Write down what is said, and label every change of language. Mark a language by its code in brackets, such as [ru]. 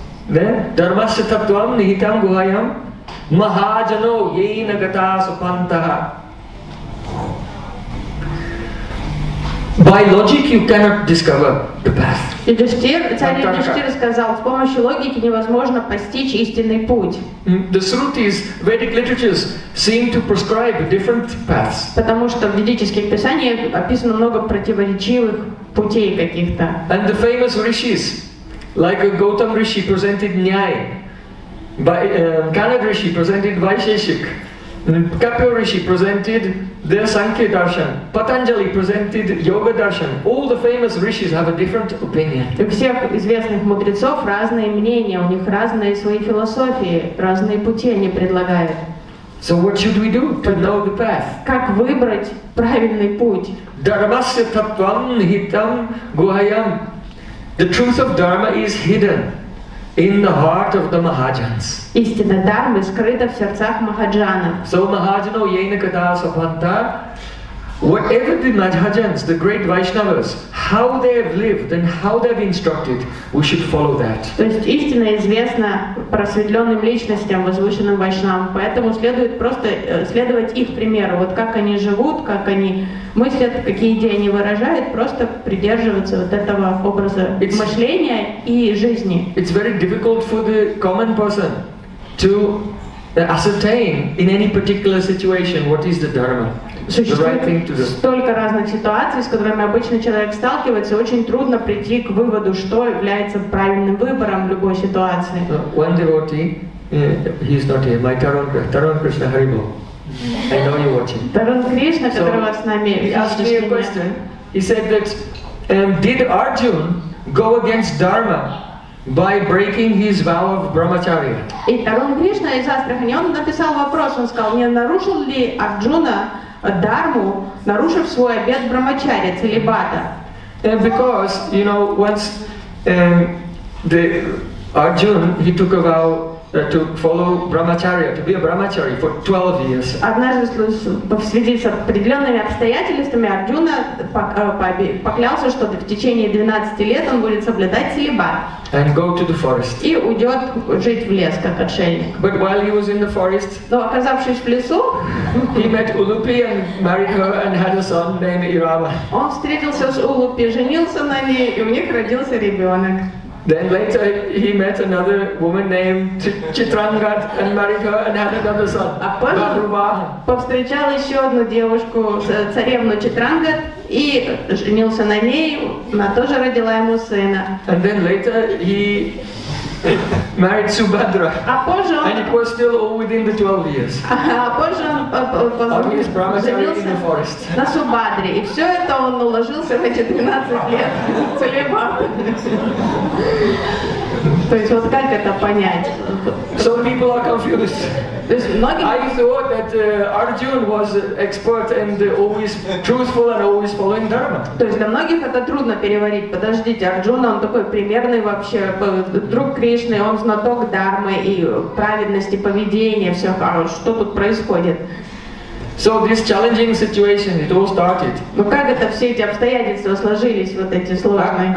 [sa] Dharmasya tattvam nihitam guhayam mahajano yena gata supantaha. [en] By logic you cannot discover the path. [ru] Царь Юдиштир сказал, с помощью логики невозможно постичь истинный путь. [en] The Srutis, Vedic literatures, seem to prescribe different paths. [ru] Потому что в ведических писаниях описано много противоречивых путей каких-то. [en] And the famous rishis, like a Gautam Rishi presented Nyay, Kanad Rishi presented Vaisheshik, Kapil Rishi presented the Sankhya Darshan, Patanjali presented Yoga Darshan. All the famous Rishis have a different opinion. [ru] У всех известных мудрецов разные мнения, у них разные свои философии, разные пути они предлагают. [en] So what should we do to know the path? [ru] Как выбрать правильный путь? [sa] Dharmasya tattvam nihitam guhayam. [en] The truth of Dharma is hidden in the heart of the Mahajans. [ru] Истина Дхармы скрыта в сердцах Махаджанов. [en] So [sa] Mahajano Yena Kata Sapanta, [en] whatever the Mahajans, the great Vaishnavas, how they have lived and how they have instructed, we should follow that. [ru] То есть истина известна просветленным личностям, возвышенным Вайшнавам, поэтому следует просто следовать их примеру. Вот как они живут, как они мыслят, какие идеи они выражают, просто придерживаться вот этого образа мышления и жизни. [en] It's very difficult for the common person to ascertain in any particular situation what is the dharma. [ru] Столько разных ситуаций, с которыми обычный человек сталкивается, очень трудно прийти к выводу, что является правильным выбором в любой ситуации. [en] One devotee, he's not here, my Tarun Krishna Haribo. I know you're watching. [ru] Tarun Krishna, который вас с нами. [en] He asked me a question. He said that, did Arjun go against dharma by breaking his vow of brahmacharya? [ru] И Tarun Krishna из Астрахани, он написал вопрос, он сказал, не нарушил ли Арджуна дарму, нарушив свой обет брамачари, целибата. [en] And because, you know, once the Arjun, he took a vow to follow brahmacharya, to be a brahmachari for 12 years. [ru] Однажды, в связи с определенными обстоятельствами, Арджуна поклялся, что в течение 12 лет он будет соблюдать целибат. [en] And go to the forest. [ru] И уйдет жить в лес, как отшельник. [en] But while he was in the forest, [ru] но оказавшись в лесу, [en] he met Ulupi and married her and had a son named Irava. [ru] Он встретился с Улупи, женился на ней, и у них родился ребенок. [en] Then later he met another woman named Chitrangad and married her and had another son. [ru] А потом повстречал еще одну девушку, царевну Читрангад, и женился на ней, она тоже родила ему сына. [en] And then later he married Subhadra. [ru] А позже он... [en] And it was still all within the 12 years. [ru] А позже он женился на Субхадре. И все это он уложился в эти 12 лет целибата. То есть вот как это понять? [en] Some people are confused. I thought that Arjuna was expert and always truthful and always following dharma. [ru] То есть для многих это трудно переварить. Подождите, Арджуна, он такой примерный вообще, друг Кришны, он знаток дармы и праведности поведения, все хорошо. Что тут происходит? [en] So this challenging situation, it all started. [ru] Ну как это все эти обстоятельства сложились, вот эти сложные?